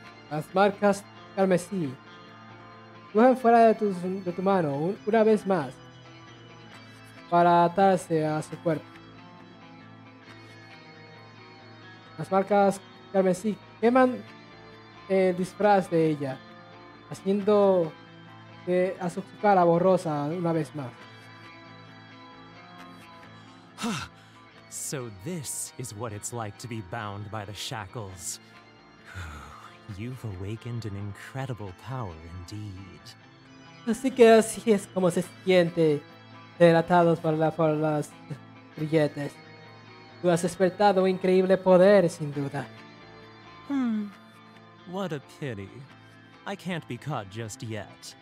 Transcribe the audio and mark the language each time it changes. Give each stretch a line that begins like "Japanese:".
Spanish: Las marcas carmesí. Dejan fuera de tu mano una vez más para atarse a su cuerpo. Las marcas carmesí queman el disfraz de ella, haciendo que a su cara borrosa una vez más.
English: So this is what it's like to be bound by the shackles. You've awakened an incredible power indeed.
Spanish: Así que así es como se siente ser atados por las grilletes. Tú has despertado un increíble poder, sin duda.
English: What a pity. I can't be caught just yet.